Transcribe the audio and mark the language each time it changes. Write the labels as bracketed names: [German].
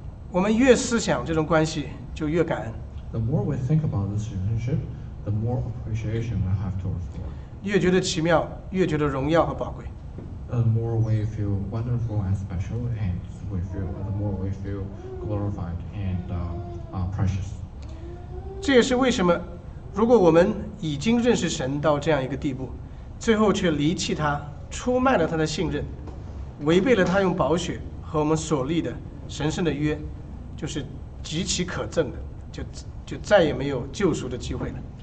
[Chinese] 我们越思想这种关系，就越感恩。 [English] The more we think about this relationship, the more appreciation we have towards God. [Chinese] 越觉得奇妙，越觉得荣耀和宝贵。 [English] The more we feel wonderful and special, and we feel the more we feel glorified and precious. [Chinese] 这也是为什么，如果我们已经认识神到这样一个地步，最后却离弃他。出卖了他的信任，违背了他用宝血和我们所立的神圣的约，就是极其可憎的，就再也没有救赎的机会了。